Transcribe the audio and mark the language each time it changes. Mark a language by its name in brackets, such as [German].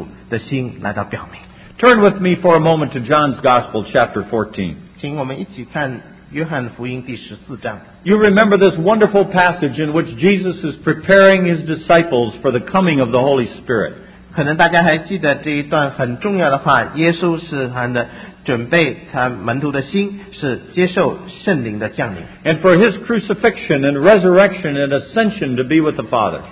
[Chinese] 是我们爱主就是要用我们一种顺服主的心来到表明。 [English] Turn with me for a moment to John's Gospel, chapter 14. [Chinese] 请我们一起看约翰福音第14章。 [English] You remember this wonderful passage in which Jesus is preparing His disciples for the coming of the Holy Spirit. [Chinese] 可能大家还记得这一段很重要的话，耶稣是他的。 [English] And for His crucifixion and resurrection and ascension to be with the Father.